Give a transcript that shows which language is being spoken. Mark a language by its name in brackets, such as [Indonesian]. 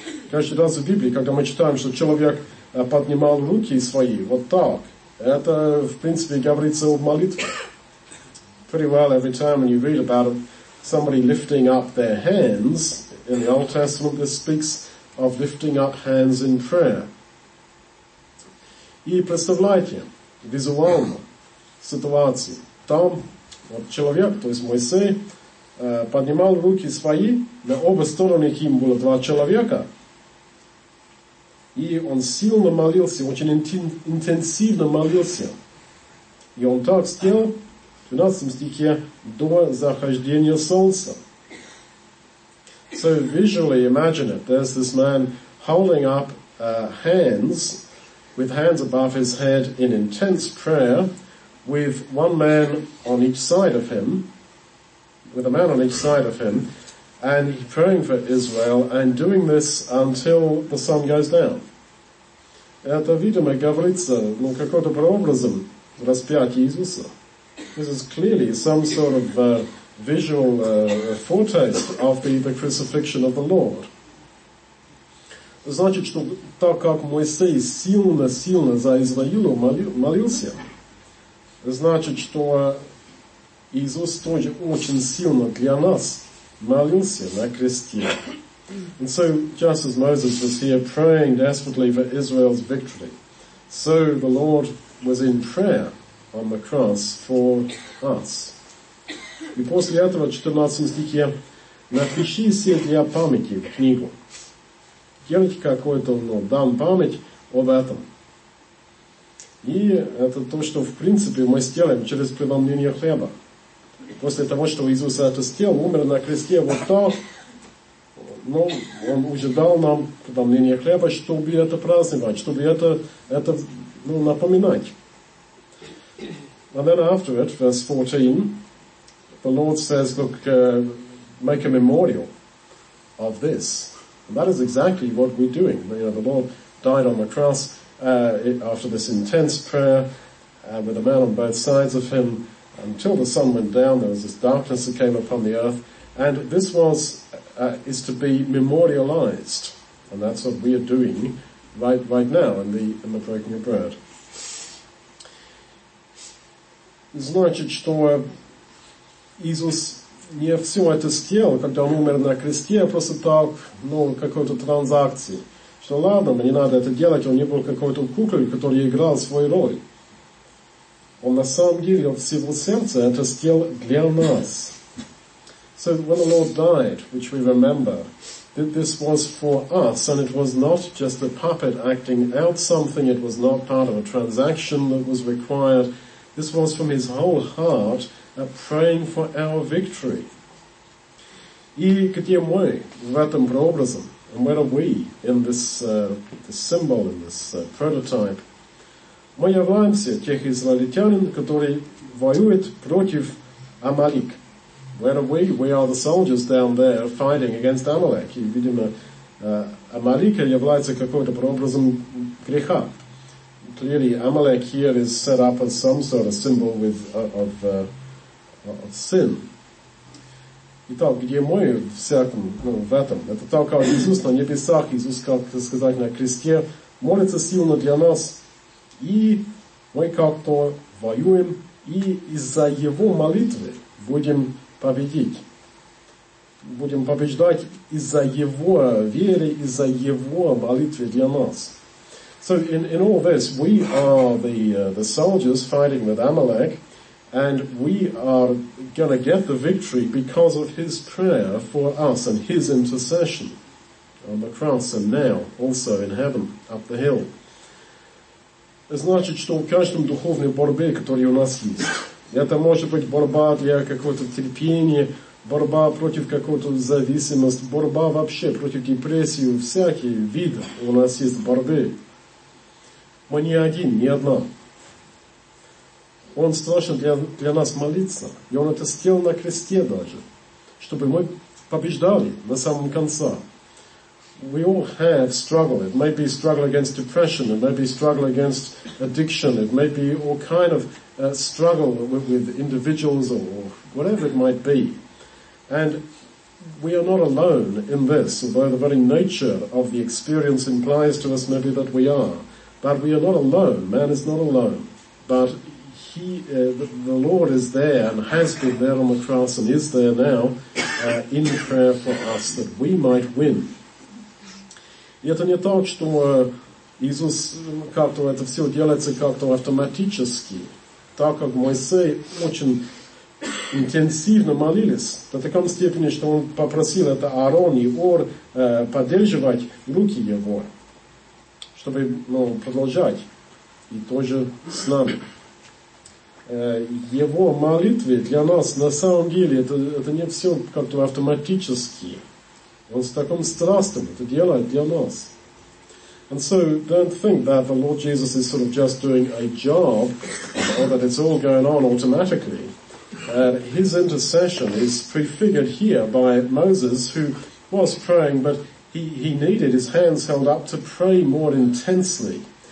[Russian] Как считается в Библии, когда мы читаем, что человек поднимал руки свои, вот так, это, в принципе, говорится об молитве. [English] Pretty well, every time when you read about somebody lifting up their hands, in the Old Testament, this speaks of lifting up hands in prayer. [Russian] И представляете визуально ситуацию. Там вот человек, то есть Моисей, поднимал руки свои, на обе стороны им было два человека, и он сильно молился, очень интенсивно молился. И он так сделал, в 12 стихе, до захождения солнца. [English] So visually imagine it. There's this man holding up hands, with hands above his head in intense prayer, with one man on each side of him, with a man on each side of him, and praying for Israel, and doing this until the sun goes down. [Russian] Это, видимо, говорится, ну, какой-то прообразом распятия Иисуса. [English] This is clearly some sort of visual foretaste of the crucifixion of the Lord. [Russian] Значит, что так как Моисей сильно-сильно за Израилю молился, значит, что Иисус тоже очень сильно для нас молился на кресте. [English] And so, just as Moses was here praying desperately for Israel's victory, so the Lord was in prayer on the cross for us. [Russian] И после этого, 14 стихе, напиши себе для памяти в книгу. Делайте какой-то, ну, дам память об этом. И это то, что, в принципе, мы сделаем через преломление хлеба. После того, что Иисус это сделал, умер на кресте, вот так, ну, Он уже дал нам преломление хлеба, чтобы это праздновать, чтобы это ну, напоминать. [English] And then after it, verse 14, the Lord says, look, make a memorial of this. And that is exactly what we're doing. You know, the Lord died on the cross after this intense prayer with a man on both sides of him. Until the sun went down, there was this darkness that came upon the earth. And this was is to be memorialized. And that's what we are doing right now in the breaking of bread. [Russian] Значит, что Иисус не все это сделал, когда Он умер на кресте, а просто так, ну, какой-то транзакции. Что ладно, мне надо это делать, Он не был какой-то куклой, который играл свою роль. Он на самом деле, Он всего сердца это сделал для нас. [English] So when the Lord died, which we remember, this was for us, and it was not just a puppet acting out something, it was not part of a transaction that was required. This was from His whole heart, praying for our victory. [Russian] И где мы в этом прообразом? [English] And where are we in this symbol, in this prototype? [Russian] Мы являемся тех израильтянин, которые воюют против Амалик. [English] Where are we? We are the soldiers down there fighting against Amalek. [Russian] И видимо, Амалик является какой-то прообразом греха. [English] Clearly, Amalek here is set up as some sort of symbol of sin. [Russian] Итак, где мы всяком, ну, в этом? Это так, как Иисус на небесах, Иисус, как сказать, на кресте, молится сильно для нас, и мы как-то воюем, и из-за Его молитвы будем победить. Будем побеждать из-за Его веры, из-за Его молитвы для нас. [English] So in all this, we are the soldiers fighting with Amalek, and we are going to get the victory because of His prayer for us and His intercession on the cross and now also in heaven up the hill. [Russian] Значит, что в каждом духовной борьбе, которая у нас есть, это может быть борьба для какого-то терпения, борьба против какого-то зависимости, борьба вообще против депрессии, всякий вид у нас есть борьбы. Мы не один, не одна. Он страшен для нас молиться. И Он это сделал на кресте даже. Чтобы мы побеждали на самом конце. [English] We all have struggle. It may be struggle against depression. It may be struggle against addiction. It may be all kind of struggle with individuals or whatever it might be. And we are not alone in this. Although the very nature of the experience implies to us maybe that we are. But we are not alone. Man is not alone. But the Lord is there and has been there on the cross and is there now in prayer for us that we might win. [Russian] И это не так, что Иисус как-то это все делается как-то автоматически. Так как Моисей очень интенсивно молились до такой степени, что он попросил это Аарон и Ор поддерживать руки его, чтобы ну, продолжать. И тоже с нами. Его молитвы для нас на самом деле это не все как-то автоматически. Он с таким страстом это делает для нас. [English] And so don't think that the Lord Jesus is sort of just doing a job or that it's all going on automatically. His intercession is prefigured here by Moses who was praying but he needed his hands held up to pray more intensely.